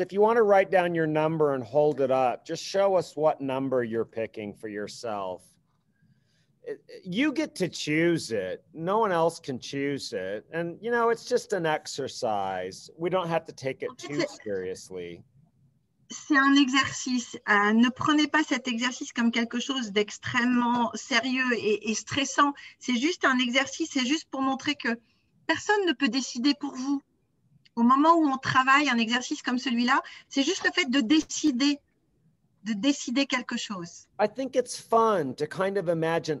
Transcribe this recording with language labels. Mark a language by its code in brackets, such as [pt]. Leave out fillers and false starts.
[en] If you want to write down your number and hold it up, just show us what number you're picking for yourself. You get to choose it. No one else can choose it. And, you know, it's just an exercise. We don't have to take it too seriously. [fr] C'est un exercice. Ne prenez pas cet exercice comme quelque chose d'extrêmement sérieux et stressant. C'est juste un exercice. C'est juste pour montrer que personne ne peut décider pour vous. Au moment où on travaille un exercice comme celui-là, c'est juste le fait de décider quelque chose. [en] I think it's fun to kind of imagine.